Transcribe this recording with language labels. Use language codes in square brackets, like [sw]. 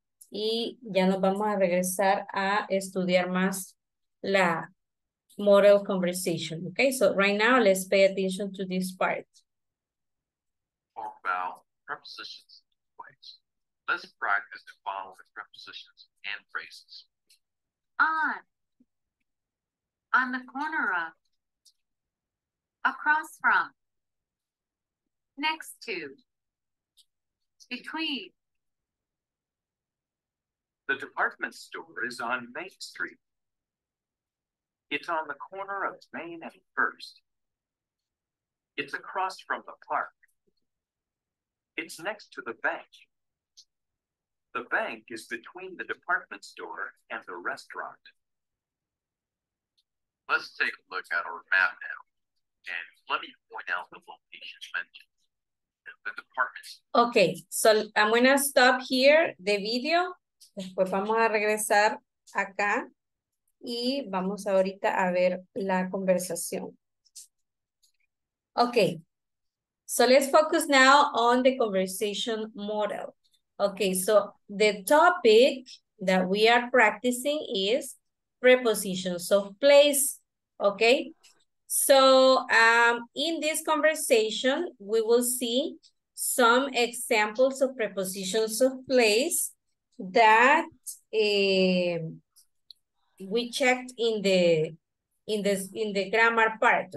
[es] Y ya nos vamos a regresar a estudiar más la model conversation. [en] Okay, so right now, let's pay attention to this part. Talk about prepositions and place. Let's practice the following prepositions and phrases. On the corner of, across from, next to, between, The department store is on Main Street. It's on the corner of Main and First. It's across from the park. It's next to the bank. The bank is between the department store and the restaurant. Let's take a look at our map now, and let me point out the location mentioned. The department store. Okay, so I'm going to stop here the video. [es] Después vamos a regresar acá y vamos ahorita a ver la conversación. [en] Okay, so let's focus now on the conversation model. Okay, so the topic that we are practicing is prepositions of place. Okay, so in this conversation, we will see some examples of prepositions of place that we checked in the grammar part.